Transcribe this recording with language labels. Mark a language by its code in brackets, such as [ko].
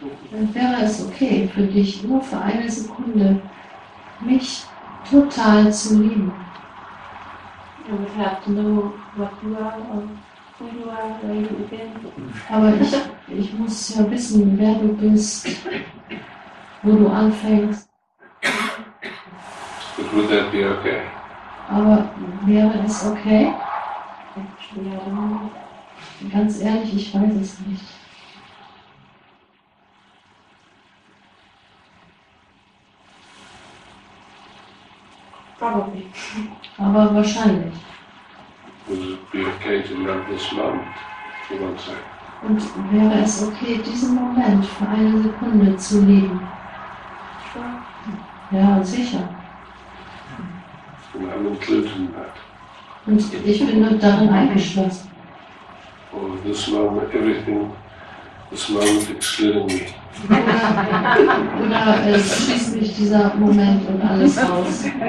[de] Dann wäre es okay für dich, nur für eine Sekunde, mich total zu lieben. [en] I would have to know what you are or who you are, where you've been. [de] Aber ich muss ja wissen, wer du bist, wo du anfängst. [en] But would that be okay? [de] Aber wäre es okay? Ja. Ganz ehrlich, ich weiß es nicht. [en] Probably. [de] Aber wahrscheinlich. [en] Would it be okay to love this moment for one second? [de] Und wäre es okay, diesen Moment für eine Sekunde zu leben? [en] Sure. [de] Ja, sicher. [en] And I'm included in that. [de] Und ich bin nur darin eingeschlossen. [en] Oh, this moment, everything, this moment excluding me. [de] Oder es schließt mich dieser Moment und alles aus.